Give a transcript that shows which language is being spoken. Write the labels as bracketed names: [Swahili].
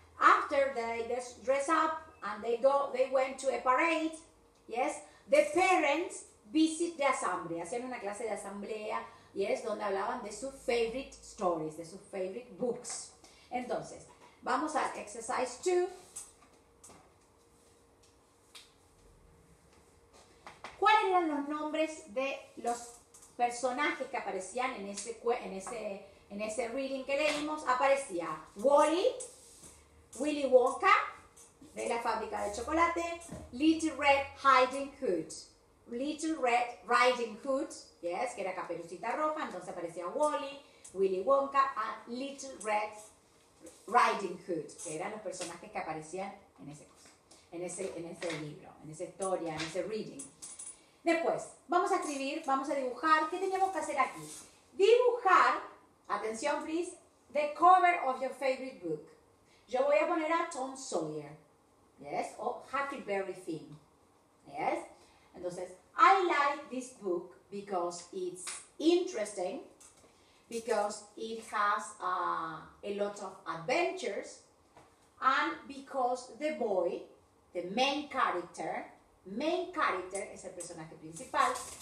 [English] After they dress up and they went to a parade, yes, the parents visit the assembly. [Spanish] Hacían una clase de asamblea, yes, donde hablaban de sus [English] favorite stories, [Spanish] de sus [English] favorite books. [Spanish] Entonces, vamos a exercise 2. ¿Cuáles eran los nombres de los personajes que aparecían en ese reading que leímos? Aparecía Wally, Willy Wonka, de la fábrica de chocolate, Little Red Riding Hood, Little Red Riding Hood, yes, que era Caperucita Roja, entonces aparecía Wally, Willy Wonka, and Little Red Riding Hood, que eran los personajes que aparecían en ese libro, en esa historia, en ese reading. Después, vamos a escribir, vamos a dibujar. ¿Qué teníamos que hacer aquí? Dibujar, atención, [English] please, the cover of your favorite book. [Spanish] Yo voy a poner a Tom Sawyer, yes, o Huckleberry Finn, yes. [English] Entonces, I like this book because it's interesting, because it has a lot of adventures, and because the boy, the main character, main character [Spanish] es el personaje principal.